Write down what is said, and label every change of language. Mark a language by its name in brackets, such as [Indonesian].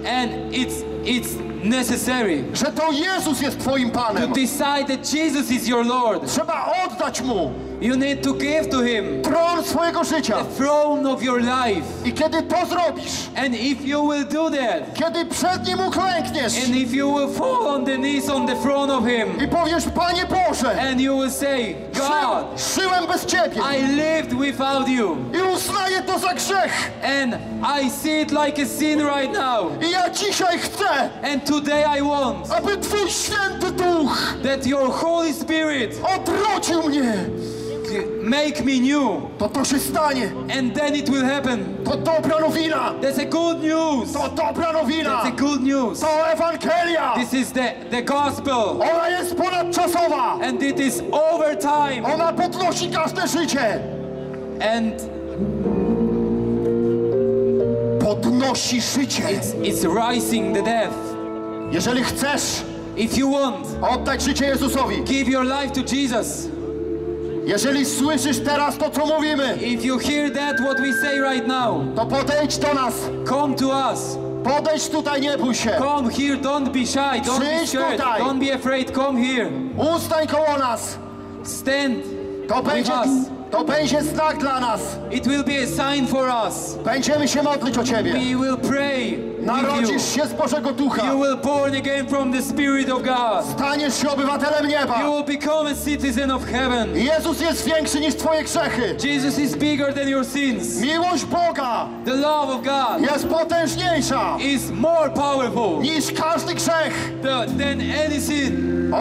[English] And it's necessary. [Polish] Że to Jezus jest twoim panem. [English] To decide that Jesus is your Lord. [Polish] Trzeba oddać mu. [English] You need to give to him. [Polish] Tron swojego życia. [English] The throne of your life. [Polish] I kiedy to zrobisz. [English] And if you will do that. [Polish] Kiedy przed nim uklękniesz. [English] And if you will fall on the knees on the throne of him. [Polish] I powiesz, Panie Boże. [English] And you will say, God. [Polish] Żyłem bez ciebie. [English] I lived without you. [Polish] I uznaję to za grzech. [English] And I see it like a sin right now. [Polish] I ja dzisiaj chcę. [English] And today I want. [Polish] Aby twój święty duch. [English] That your Holy Spirit. [Polish] Odrodził mnie. [English] Make me new. [Polish] To się stanie. [English] And then it will happen. [Polish] To dobra nowina. [English] That's a good news. [Polish] To dobra nowina. [English] That's a good news. [Polish] To Ewangelia. [English] This is the gospel. [Polish] Ona jest ponadczasowa. [English] And it is over time. [Polish] Ona podnosi każde życie. [English] And [Polish] podnosi życie. [English] It's rising the death. [Polish] Jeżeli chcesz, [English] if you want, [Polish] oddać życie Jezusowi. [English] Give your life to Jesus. [Polish] Jeżeli słyszysz teraz to, co mówimy, [English] if you hear that, what we say right now, [Polish] to podejdź do nas. [English] Come to us. [Polish] Podejdź tutaj, nie bój się. [English] Come here, don't be shy, don't [Polish] przyjdź [English] be scared, [Polish] tutaj. [English] Don't be afraid, come here. [Polish] Ustań koło nas. [English] Stand [Polish] to [English] with [Polish] będzie, [English] us. [Polish] To będzie znak dla nas. [English] It will be a sign for us. [Polish] Będziemy się modlić o ciebie. [English] We will pray. [Polish] Narodzisz się z Bożego Ducha. [English] You will born again from the Spirit of God. [Polish] Staniesz się obywatelem nieba. [English] You will become a citizen of heaven. [Polish] Jezus jest większy niż twoje grzechy. [English] Jesus is bigger than your sins. [Polish] Miłość Boga. [English] The love of God. [Polish] Jest potężniejsza. [English] Is more powerful. [Polish] Niż każdy grzech. [English] Than any sin.